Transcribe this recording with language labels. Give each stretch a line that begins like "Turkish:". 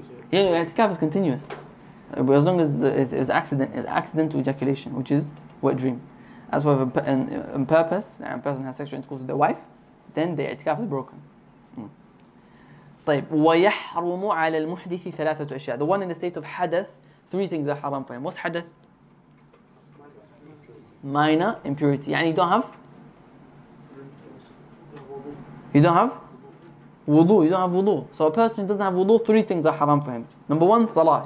English: Yeah, itikaf is continuous. But as long as it's accident, it's accidental ejaculation, which is wet dream. As for on purpose, a person has sexual intercourse with their wife, then the i'tikaf is broken.
Arabic: طيب ويحرم على المحدث ثلاثة أشياء.
English: The one in the state of hadath, three things are haram for him. What's hadath? Minor impurity. يعني you don't have. You don't have. Wudu, you don't have wudu. So a person who doesn't have wudu, three things are haram for him. Number one, salah.